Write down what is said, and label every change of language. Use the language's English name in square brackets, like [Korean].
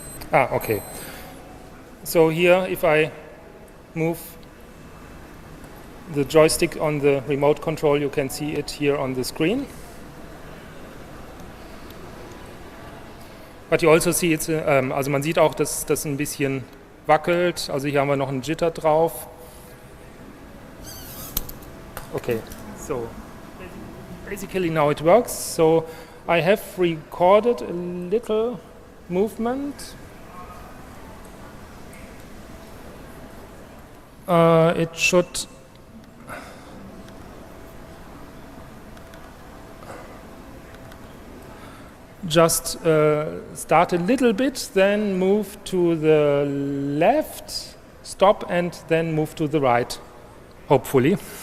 [English] Ah, okay. So here, if I move the joystick on the remote control, you can see it here on the screen. But you also see, it's, [German] also man sieht auch, dass das ein bisschen wackelt. Also hier haben wir noch einen Jitter drauf. [English] Okay, so basically now it works. So I have recorded a little movement. It should just start a little bit, then move to the left, stop, and then move to the right, hopefully.